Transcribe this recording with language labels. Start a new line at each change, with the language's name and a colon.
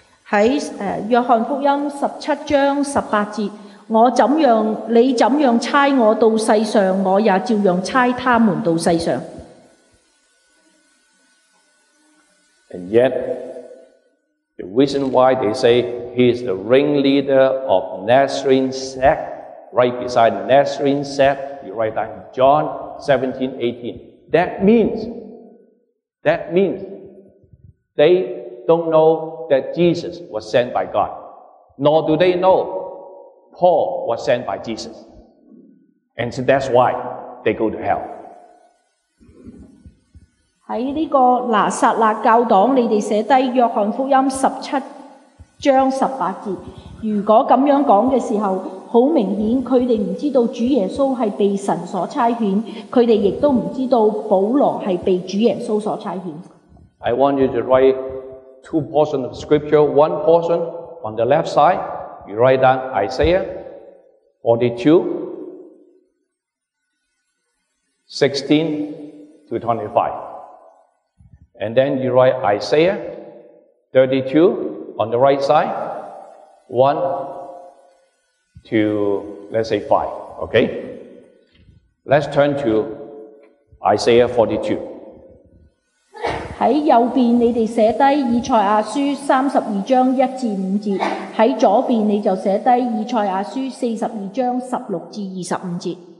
Chinese: 在约翰福音十七章十八节，我怎样，你怎样差我到世上，我也照样差他们到世上。
English: And yet, the reason why they say he is the ringleader of Nazarene sect, right beside Nazarene sect, you write that in John 17, 18. That means they don't know that Jesus was sent by God, nor do they know Paul was sent by Jesus. And so that's why they go to hell.
Chinese: 在这个拿撒勒教党，你们写低约翰福音十七章十八节。如果这样讲的时候，很明显他们不知道主耶稣是被神所差遣，他们也都不知道保罗是被主耶稣所差遣。
English: I want you to write two portions of scripture. One portion on the left side, you write down Isaiah 42, 16 to 25. And then you write Isaiah 32 on the right side, 1to, let's say, 5, okay? Let's turn to Isaiah 42.
Chinese: 在右边你们写低以赛亚书32章1至5节，在左边你就写低以赛亚书42章16至25节。